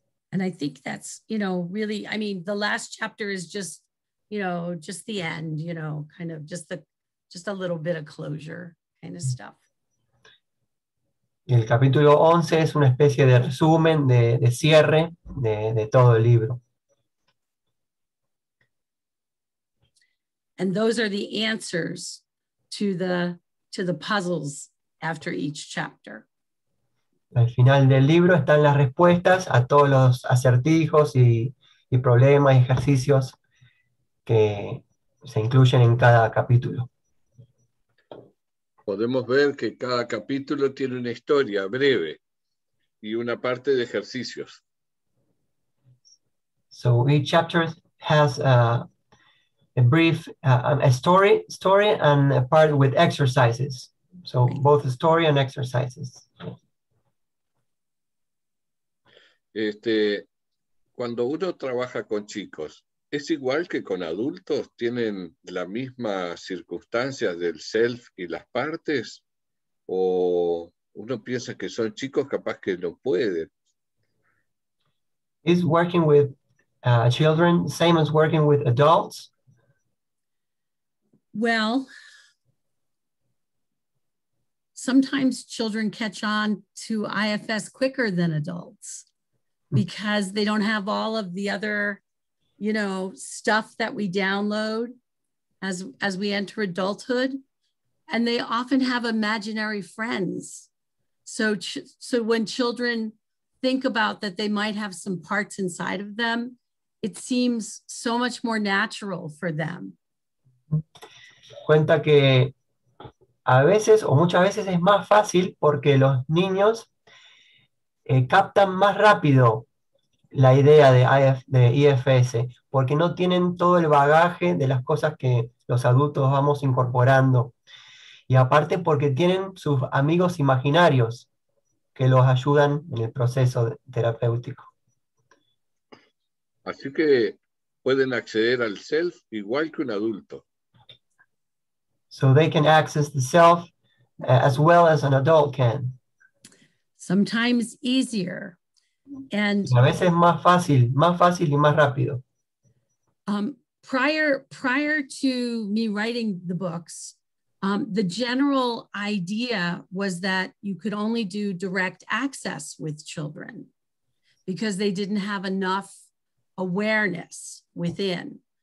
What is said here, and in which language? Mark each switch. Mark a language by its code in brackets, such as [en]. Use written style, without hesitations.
[en] And I think that's, really, I mean, the last chapter is just the end, kind of just a little bit of closure kind of stuff. [es] El capítulo 11 es una especie de resumen, de cierre de todo el libro. [en] And those are the answers to the puzzles after each chapter. [es] Al final del libro están las respuestas a todos los acertijos y problemas y ejercicios que se incluyen en cada capítulo. Podemos ver que cada capítulo tiene una historia breve y una parte de ejercicios. [en] So each chapter has a brief story and a part with exercises. So both story and exercises. [es] Cuando uno trabaja con chicos, ¿Es igual que con adultos? ¿Tienen las mismas circunstancias del self y las partes? ¿O uno piensa que son chicos capaz que no pueden? [en] ¿Is working with children same as working with adults? Well, sometimes children catch on to IFS quicker than adults because they don't have all of the other, you know, stuff that we download as we enter adulthood. And they often have imaginary friends. So when children think about that they might have some parts inside of them, it seems so much more natural for them. [es] Cuenta que a veces o muchas veces es más fácil porque los niños captan más rápido la idea de IFS, porque no tienen todo el bagaje de las cosas que los adultos vamos incorporando. Y aparte porque tienen sus amigos imaginarios que los ayudan en el proceso terapéutico. Así que pueden acceder al self igual que un adulto. [en] So they can access the self as well as an adult can. Sometimes easier. And [es] a veces más fácil y más rápido. [en] Prior to me writing the books, the general idea was that you could only do direct access with children because they didn't have enough awareness within.